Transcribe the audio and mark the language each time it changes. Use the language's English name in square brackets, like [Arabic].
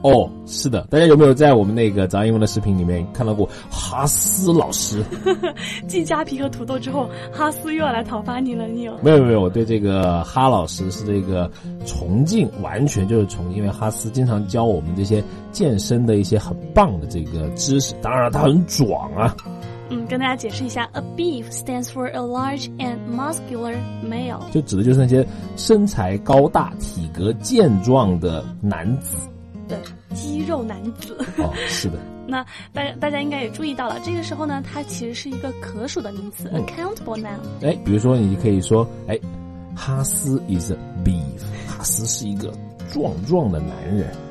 [Chinese] 哦，是的，大家有没有在我们那个早安英文的视频里面看到过哈斯老师？继加皮和土豆之后，哈斯又要来讨伐你了，你有？没有没有，我对这个哈老师是这个崇敬，完全就是崇敬，因为哈斯经常教我们这些健身的一些很棒的这个知识，当然他很壮啊。嗯，跟大家解释一下 [English] ，a beef stands for a large and muscular male， [Chinese] 就指的就是那些身材高大、体格健壮的男子。对，肌肉男子。哦，是的。那大家应该也注意到了，这个时候呢，它其实是一个可数的名词、嗯、，accountable noun。哎，比如说你可以说，哎，哈斯 [English] is a beef， [Chinese] 哈斯是一个壮壮的男人。